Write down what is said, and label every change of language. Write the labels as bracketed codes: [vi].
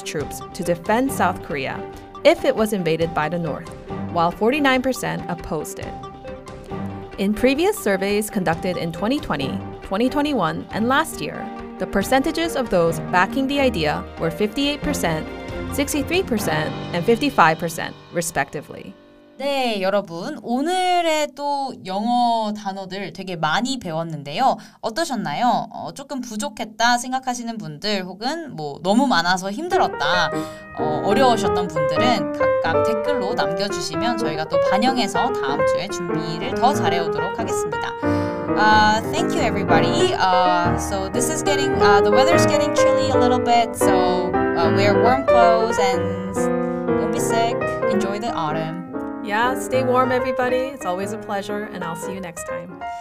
[en] troops to defend South Korea if it was invaded by the North, while 49% opposed it. In previous surveys conducted in 2020, 2021, and last year, the percentages of those backing the idea were 58%, 63%, and 55%, respectively. [ko] 네, 여러분. 오늘의 또 영어 단어들 되게 많이 배웠는데요. 어떠셨나요? 조금 부족했다 생각하시는 분들 혹은 뭐 너무 많아서 힘들었다, 어려우셨던 분들은 각각 댓글로 남겨주시면 저희가 또 반영해서 다음 주에 준비를 더 잘해오도록 하겠습니다. [en] Thank you, everybody. So this is getting, the weather's getting chilly a little bit, so wear warm clothes and don't be sick. Enjoy the autumn. Yeah, stay warm, everybody. It's always a pleasure, and I'll see you next time.